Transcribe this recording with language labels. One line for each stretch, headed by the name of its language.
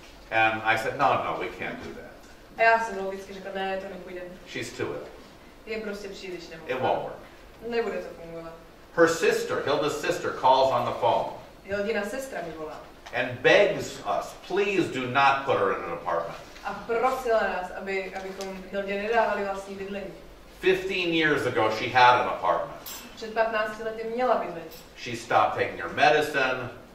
English: And I said, no, we can't do that.
Czech: A já jsem logicky řekl, ne, to nepůjde.
English: She's too ill.
Czech: Je prostě příliš nemocná.
English: It won't work.
Czech: Nebude to fungovat.
English: Her sister, Hilda's sister, calls on the phone.
Czech: Hildina sestra mi volá.
English: And begs us, please do not put her in an apartment.
Czech: A prosila nás, abychom Hildě nedávali vlastní bydlení.
English: 15 years ago, she had an apartment.
Czech: Před 15 lety měla bydlení.
English: She stopped taking her medicine.